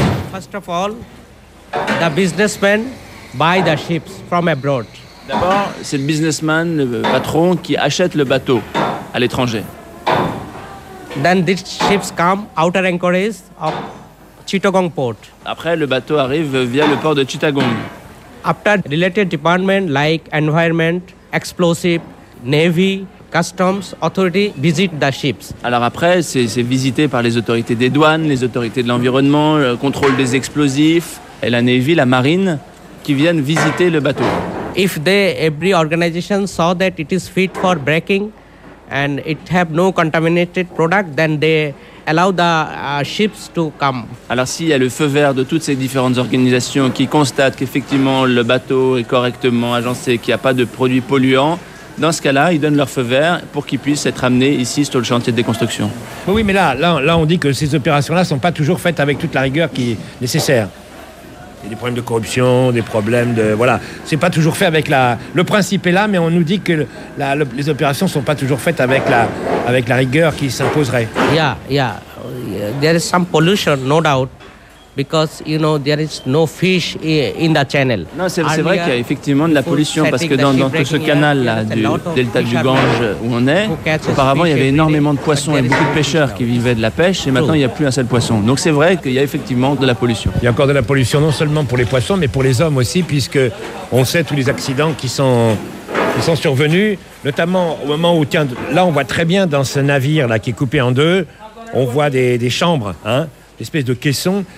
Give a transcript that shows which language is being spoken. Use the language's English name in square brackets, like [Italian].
[English] First of all, the businessmen buy the ships from abroad. [French] D'abord, c'est le businessman, le patron, qui achète le bateau à l'étranger. [English] Then these ships come outer anchorage of Chittagong port. [French] Après, le bateau arrive via le port de Chittagong. [English] After related department like environment, explosive, navy, customs authority visit the ships. [French] Alors après, c'est visité par les autorités des douanes, les autorités de l'environnement, le contrôle des explosifs et la navy, la marine, qui viennent visiter le bateau. [English] If they, every organization saw that it is fit for breaking and it have no contaminated product, then they allow the ships to come. [French] Alors s'il y a le feu vert de toutes ces différentes organisations qui constatent qu'effectivement le bateau est correctement agencé, qu'il n'y a pas de produits polluants, dans ce cas-là, ils donnent leur feu vert pour qu'ils puissent être amenés ici sur le chantier de déconstruction. Oui, mais là on dit que ces opérations-là ne sont pas toujours faites avec toute la rigueur qui est nécessaire. Il y a des problèmes de corruption, des problèmes de... Voilà, c'est pas toujours fait avec la... Le principe est là, mais on nous dit que les opérations sont pas toujours faites avec la rigueur qui s'imposerait. [English] Yeah. There is some pollution, no doubt, because, you know, there is no fish in the channel. [French] Non, c'est vrai qu'il y a effectivement de la pollution, parce que dans tout ce canal là, du delta du Gange où on est, auparavant, il y avait énormément de poissons et beaucoup de pêcheurs qui vivaient de la pêche, et maintenant, il n'y a plus un seul poisson. Donc, c'est vrai qu'il y a effectivement de la pollution. Il y a encore de la pollution, non seulement pour les poissons, mais pour les hommes aussi, puisqu'on sait tous les accidents qui sont survenus, notamment au moment où, tiens, là, on voit très bien dans ce navire-là qui est coupé en deux, on voit des chambres, hein, l'espèce de caisson.